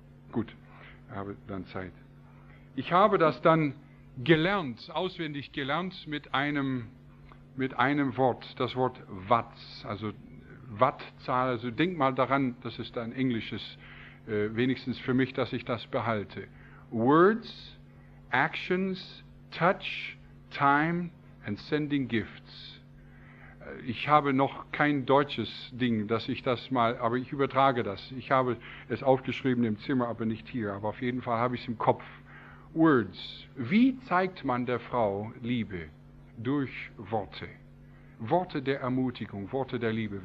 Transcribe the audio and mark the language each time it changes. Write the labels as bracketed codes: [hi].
[de] Gut, ich habe dann Zeit. Ich habe das dann gelernt, auswendig gelernt, mit einem Wort, das Wort Watz, also Wattzahl, also denk mal daran, das ist ein englisches, wenigstens für mich, dass ich das behalte. [en] Words, actions, touch, time and sending gifts. [de] Ich habe noch kein deutsches Ding, dass ich das mal, aber ich übertrage das. Ich habe es aufgeschrieben im Zimmer, aber nicht hier, aber auf jeden Fall habe ich es im Kopf. Words, wie zeigt man der Frau Liebe? Durch Worte. Worte der Ermutigung, Worte der Liebe.